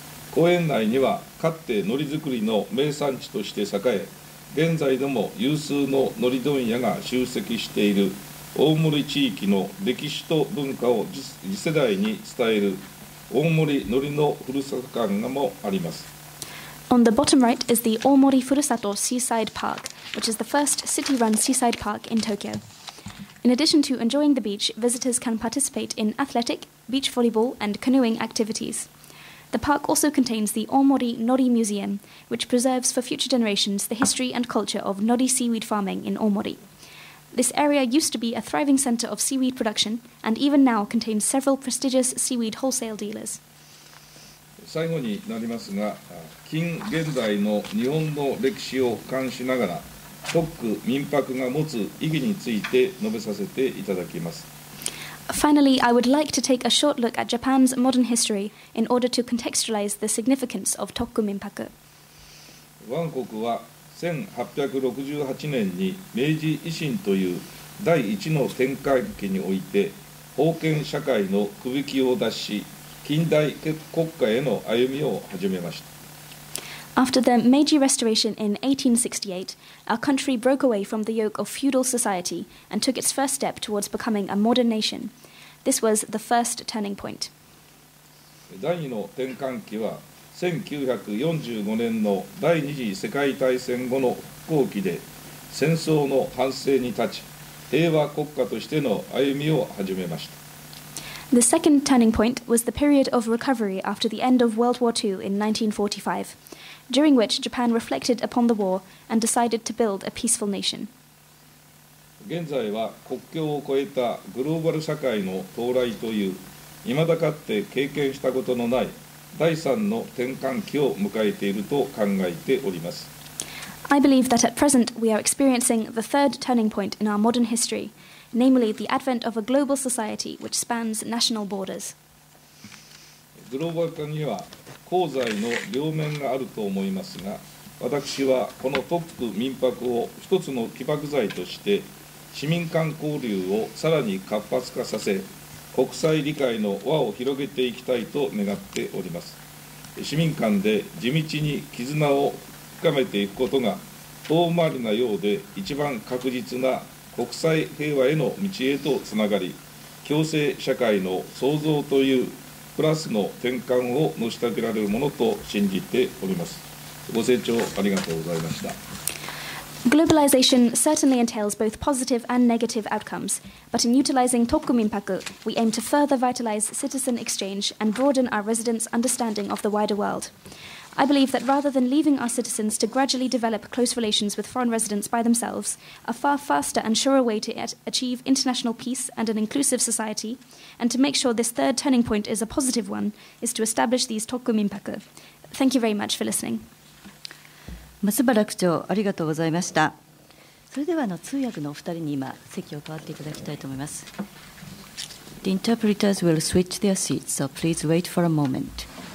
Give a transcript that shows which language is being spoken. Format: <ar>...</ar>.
<ja>公園内にはかつて海苔作りの名産地として栄え、現在でも有数の海苔問屋が集積している大森地域の歴史と文化を次世代に伝える大森海苔のふるさと館もあります。</ja> <en>On the bottom right is the 大森ふるさと Seaside Park, which is the first city-run seaside park in Tokyo. In addition to enjoying the beach, visitors can participate in athletic, beach volleyball, and canoeing activities. The park also contains the Omori Nori Museum, which preserves for future generations the history and culture of nori seaweed farming in Omori. This area used to be a thriving center of seaweed production, and even now contains several prestigious seaweed wholesale dealers.</en> <ja>最後になりますが、近現代の日本の歴史を俯瞰しながら、TOC 民泊が持つ意義について述べさせていただきます。</ja> <en>Finally, I would like to take a short look at Japan's modern history in order to contextualize the significance of TOC 民泊。</en> <ja>我が国は1868年に明治維新という第一の転換期において封建社会の区引きを脱し、近代国家への歩みを始めました。</ja> <en>After the Meiji Restoration in 1868, our country broke away from the yoke of feudal society and took its first step towards becoming a modern nation. This was the first turning point.</en> <ja>第二の転換期は1945年の第二次世界大戦後の復興期で、戦争の反省に立ち、平和国家としての歩みを始めました。</ja> <en>The second turning point was the period of recovery after the end of World War II in 1945, during which Japan reflected upon the war and decided to build a peaceful nation.</en> <ja>現在は国境を越えたグローバル社会の到来という、未だかって経験したことのない第三の転換期を迎えていると考えております。</ja> <en>I believe that at present we are experiencing the third turning point in our modern history,Namely, the advent of a global society which spans national borders.</en> <ja>グローバル化には功罪の両面があると思いますが、私はこの TOC 民泊を一つの起爆剤として、市民間交流をさらに活発化させ、国際理解の輪を広げていきたいと願っております。市民間で地道に絆を深めていくことが、遠回りなようで一番確実な国際平和への道へとつながり、共生社会の創造というプラスの転換を成し遂げられるものと信じております。ご清聴ありがとうございました。</ja> <en>Globalization certainly entails both positive and negative outcomes, but in utilizing Tokuminpaku, we aim to further vitalize citizen exchange and broaden our residents' understanding of the wider world. I believe that rather than leaving our citizens to gradually develop close relations with foreign residents by themselves, a far faster and surer way to achieve international peace and an inclusive society, and to make sure this third turning point is a positive one, is to establish these Tokuminpaku. Thank you very much for listening.</en> <ja>松原区長、ありがとうございました。それでは通訳のお二人に今、席を変わっていただきたいと思います。</ja> <en>The interpreters will switch their seats, so please wait for a moment.</en>